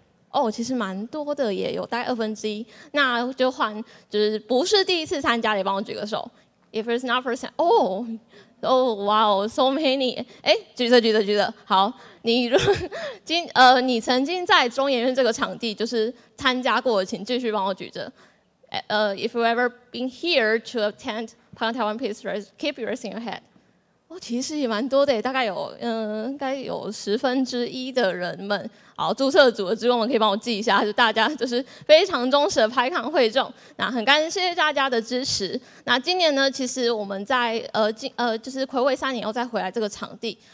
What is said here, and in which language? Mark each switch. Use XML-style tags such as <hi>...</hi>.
<zh>哦，其实蛮多的，也有大概二分之一。那就换，就是不是第一次参加，也帮我举个手。</zh> <en>If it's not first time, so many.</en> <zh>哎，举着。好，你曾经在中研院这个场地就是参加过，请继续帮我举着。</zh> <en>If you ever been here to attend PyCon Taiwan, please keep raising your hand。</en> <zh>哦，其实也蛮多的，大概有应该有十分之一的人们。好，注册组的职工们可以帮我记一下，就大家就是非常忠实的 PyCon 会众。那很感谢大家的支持。那今年呢，其实我们在就是暌违三年又再回来这个场地。</zh>